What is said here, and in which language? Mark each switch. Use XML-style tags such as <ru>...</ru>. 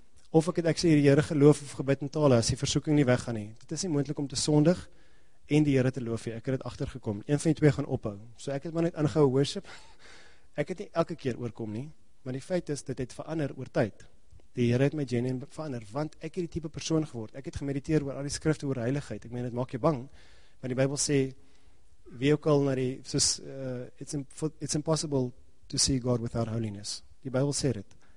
<af>Of ek het actually die Here geloof of gebid in tale as die versoeking nie weggaan nie. Dit is nie moontlik om te sondig en die Here te loof nie. Ek het dit agtergekom. Een van die twee gaan ophou. So ek het maar net ingehou worship. Ek het nie elke keer oorkom nie. Maar die feit is, dit het verander oor tyd. Die Here het my genuen verander, want ek het die type persoon geword. Ek het gemediteer oor al die skrifte oor heiligheid. Ek meen, dit maak jou bang. Want die Bybel sê, wie ook al na die, soos,</af> <en>it's impossible to see God without holiness.</en> <af>Die Bybel sê dit.</af>